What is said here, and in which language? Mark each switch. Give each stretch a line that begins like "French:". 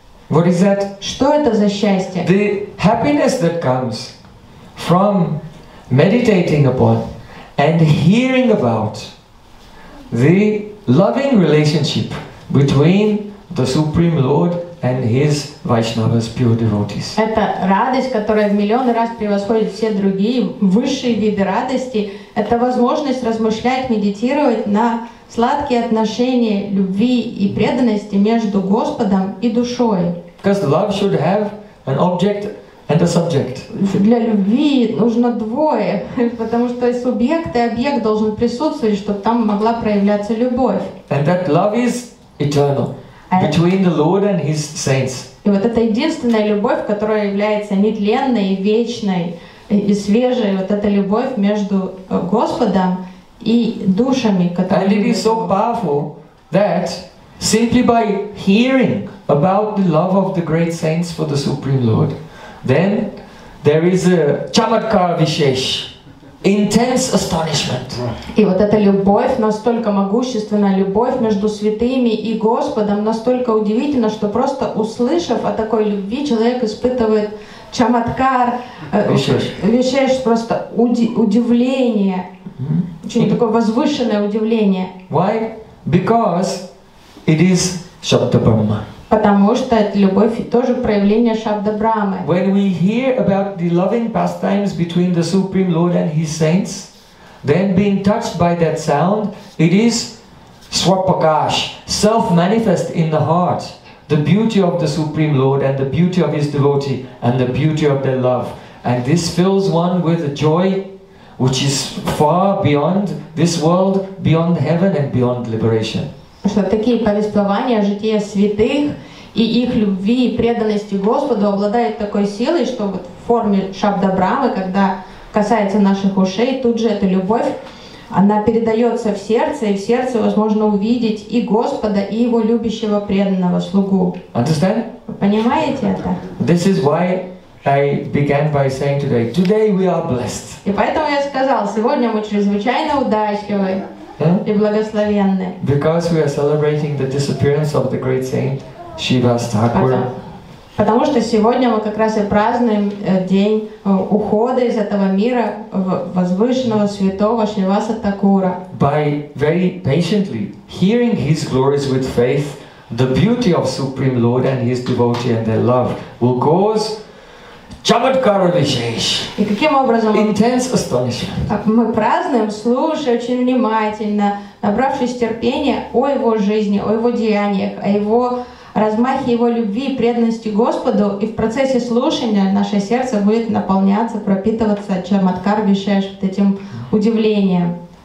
English: What is that?
Russian: Что это за счастье?
English: The happiness that comes from meditating upon and hearing about the loving relationship between the Supreme Lord and his Vaishnavas, pure devotees.
Russian: Это радость, которая в миллионы раз превосходит все другие высшие виды радости. Это возможность размышлять, медитировать на сладкие отношения любви и преданности между Господом и душой.
English: Because love should have an object and a subject.
Russian: Для любви нужно двое, потому что субъект и объект должен присутствовать, чтобы там могла проявляться любовь.
English: And that love is eternal. Between the Lord and His saints.
Russian: И вот это единственная любовь, которая является нетленной, вечной и свежей. Вот эта любовь между Господом и душами, которые.
English: And it is so powerful that simply by hearing about the love of the great saints for the Supreme Lord, then there is a chamatkar vishesh. Intense astonishment.
Russian: И вот эта любовь настолько могущественная, любовь между святыми и Господом настолько удивительна, что просто услышав о такой любви, человек испытывает чамадкар, вещаешь просто удивление, очень такое возвышенное удивление.
English: Why? Because it is Шабда Брахма.
Russian: Потому что это любовь и тоже проявление Шабда Брамы.
English: When we hear about the loving pastimes between the Supreme Lord and His saints, then being touched by that sound, it is Swapakash, self-manifest in the heart, the beauty of the Supreme Lord and the beauty of His devotee and the beauty of their love. And this fills one with a joy which is far beyond this world, beyond heaven and beyond liberation.
Russian: Что такие повествования о житии святых и их любви и преданности Господу обладают такой силой, что вот в форме Шабда Брамы, когда касается наших ушей, тут же эта любовь, она передается в сердце, и в сердце возможно увидеть и Господа, и Его любящего преданного слугу.
English: Understand?
Russian: Понимаете это?
English: This is why I began by saying today, today we are blessed.
Russian: И поэтому я сказал, сегодня мы чрезвычайно удачливы. И благословенны.
English: Because we are celebrating the disappearance of the great saint Shivas Thakur.
Russian: Потому что сегодня мы как раз и празднуем день ухода из этого мира возвышенного святого Шриваса Такура.
English: By very patiently hearing his glories with faith, the beauty of Supreme Lord and his devotee and their love will cause Чамадкара вишеш.
Russian: И каким образом?
English: Intense astonishment.
Russian: Так мы празднуем, слушая очень внимательно, набравшись терпения о его жизни, о его деяниях, о его размахе, его любви и преданности Господу, и в процессе слушания наше сердце будет наполняться, пропитываться чамадкар вишеш вот этим удивлением.